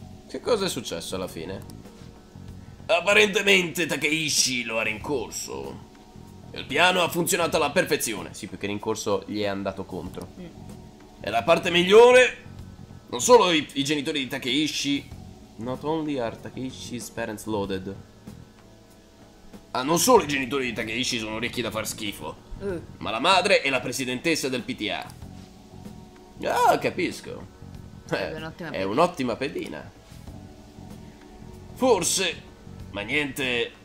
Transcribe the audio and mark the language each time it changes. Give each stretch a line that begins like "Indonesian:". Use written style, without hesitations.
Italian: Che cosa è successo alla fine? Apparentemente Takeishi lo ha rincorso. Il piano ha funzionato alla perfezione. Sì, perché rincorso gli è andato contro. E la parte migliore... Non solo i genitori di Takeishi...
English: Not only are Takeishi's parents loaded.
Italian: Ah, non solo i genitori di Takeishi sono ricchi da far schifo. Ma la madre è la presidentessa del PTA. Ah, capisco. È un'ottima pedina. Forse, ma niente...